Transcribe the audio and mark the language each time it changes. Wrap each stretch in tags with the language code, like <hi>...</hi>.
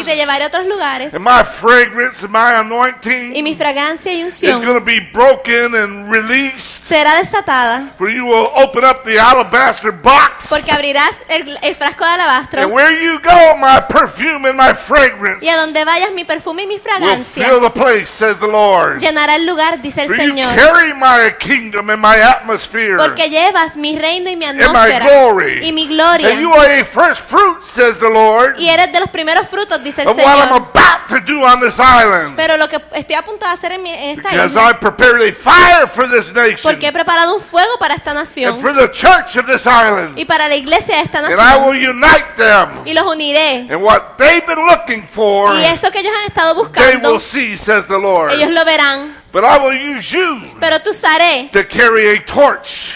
<es>Y te llevaré a otros lugares.</es> <en>And my fragrance, and my anointing,</en> <es>y mi fragancia y unción,</es> <en>is going to be broken and released.</en> <es>Será desatada.</es> <en>For you will open up the alabaster box.</en> <es>Porque abrirás el frasco de alabastro.</es> <en>And where you go, my perfume and my fragrance.</en> <es>Y a donde vayas, mi perfume y mi fragancia.</es> <en>Will fill the place, says the Lord.</en> <es>Llenará el lugar, dice el</es> <en>For</en> <es>Señor.</es> <en>You carry my kingdom and my atmosphere.</en> <es>Porque llevas mi reino y mi atmósfera</es> <en>and my glory.</en> <es>Y mi gloria.</es> <en>And you are a first fruit, says the Lord.</en> <es>Y eres de los primeros frutos, dice el</es> <en>of</en> <es>Señor.</es> <en>What I'm about to do on this island.</en> <es>Pero lo que estoy a punto de hacer en esta isla.</es> <en>Because I've prepared a fire for this nation.</en> <es>Porque he preparado un fuego para esta nación.</es> <en>And for the church of this island.</en> <es>Y para la iglesia de esta nación.</es> <en>And I will unite them.</en> <es>Y los uniré.</es> <en>And what they've been looking for.</en> <es>Y eso que ellos han estado buscando.</es> <en>They will see, says the Lord.</en> <es>Ellos lo verán.</es> <en>But I will use you</en> <es>pero tú usaré</es> <en>to carry a torch</en>